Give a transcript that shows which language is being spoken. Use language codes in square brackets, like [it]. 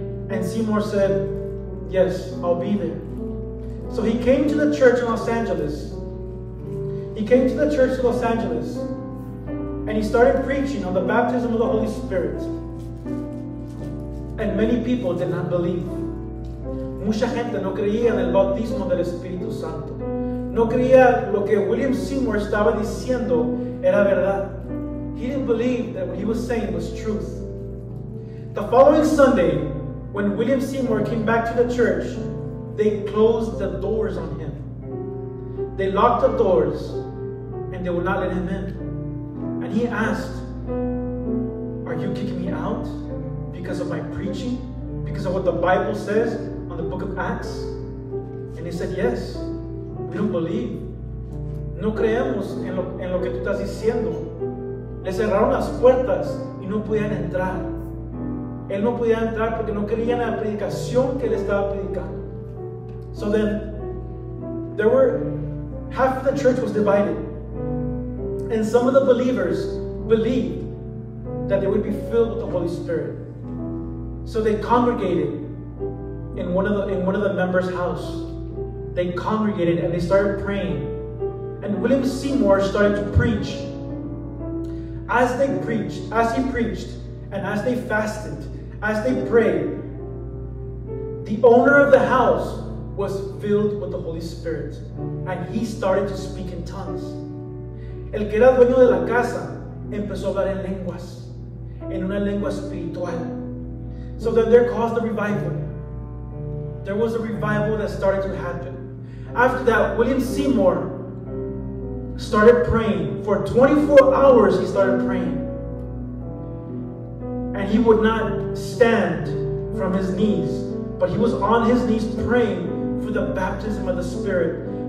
[en] And Seymour said, "Yes, I'll be there." So he came to the church in Los Angeles. He came to the church in Los Angeles, and he started preaching on the baptism of the Holy Spirit. And many people did not believe. [es] Mucha gente no creía en el bautismo del Espíritu Santo. No creía lo que William Seymour estaba diciendo era verdad. [en] He didn't believe that what he was saying was truth. The following Sunday, when William Seymour came back to the church, they closed the doors on him. They locked the doors and they would not let him in. And he asked, "Are you kicking me out because of my preaching? Because of what the Bible says on the book of Acts?" And he said, "Yes, we don't believe. [es] No creemos en lo que tú estás diciendo." Le cerraron las puertas y no podían entrar. Él no podía entrar porque no creía en la predicación que él estaba predicando. [en] So then, half the church was divided. And some of the believers believed that they would be filled with the Holy Spirit. So they congregated in one of the members' house. They congregated and they started praying. And William Seymour started to preach. As he preached, and as they fasted, as they prayed, the owner of the house was filled with the Holy Spirit, and he started to speak in tongues. [es] El que era dueño de la casa empezó a hablar en lenguas, en una lengua espiritual. [en] So then there caused a revival. There was a revival that started to happen. After that, William Seymour started praying. For 24 hours, he started praying. And he would not stand from his knees, but he was on his knees praying for the baptism of the Spirit.